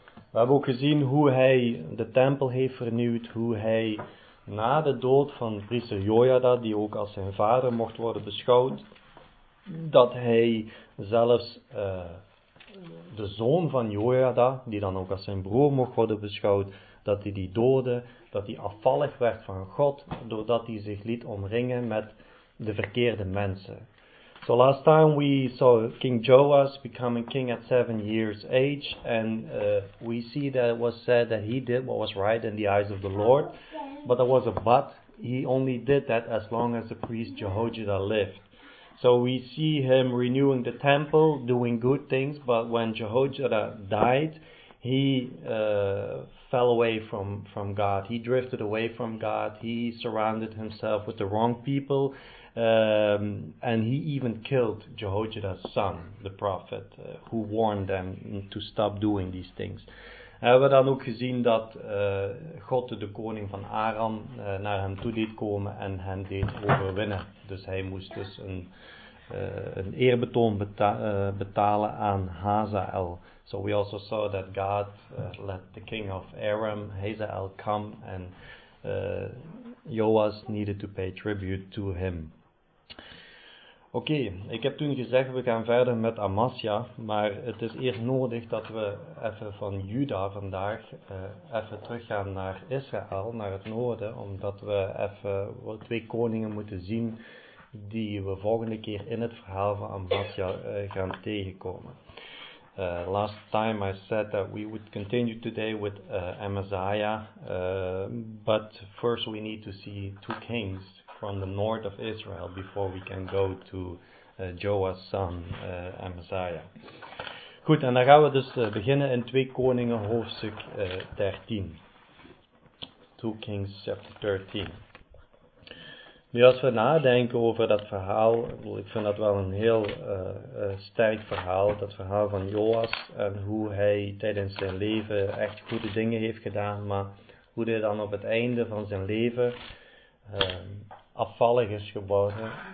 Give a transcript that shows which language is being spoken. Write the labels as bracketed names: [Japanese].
[Dutch] We hebben ook gezien hoe hij de tempel heeft vernieuwd, hoe hij na de dood van priester Jojada, die ook als zijn vader mocht worden beschouwd, dat hij zelfs de zoon van Jojada, die dan ook als zijn broer mocht worden beschouwd, dat hij die doodde, dat hij afvallig werd van God, doordat hij zich liet omringen met de verkeerde mensen. [English] So last time we saw King Joas becoming king at 7 years age, and we see that it was said that he did what was right in the eyes of the Lord, but there was a but. He only did that as long as the priest Jehojada lived. So we see him renewing the temple, doing good things, but when Jehojada died, he fell away from God. He drifted away from God. He surrounded himself with the wrong people. And he even killed Jehojada's son, the prophet, who warned them to stop doing these things. [Dutch] Hebben we dan ook gezien dat God de koning van Aram naar hem toe deed komen en hem deed overwinnen. Dus hij moest dus een eerbetoon betalen aan Hazael. [English] So we also saw that God let the king of Aram, Hazael, come and Joas needed to pay tribute to him. [Dutch] Oké, ik heb toen gezegd, we gaan verder met Amasja, maar het is eerst nodig dat we even van Juda vandaag even teruggaan naar Israël, naar het noorden, omdat we even twee koningen moeten zien die we volgende keer in het verhaal van Amasja gaan tegenkomen. [English] Last time I said that we would continue today with Amaziah, but first we need to see two kings from the north of Israel before we can go to Joas' son Amaziah. [Dutch] Goed, en dan gaan we dus beginnen in 2 Koningen hoofdstuk 13. [English] 2 Kings chapter 13. [Dutch] Nu als we nadenken over dat verhaal, ik vind dat wel een heel sterk verhaal, dat verhaal van Joas en hoe hij tijdens zijn leven echt goede dingen heeft gedaan, maar hoe hij dan op het einde van zijn leven afvallig is geworden.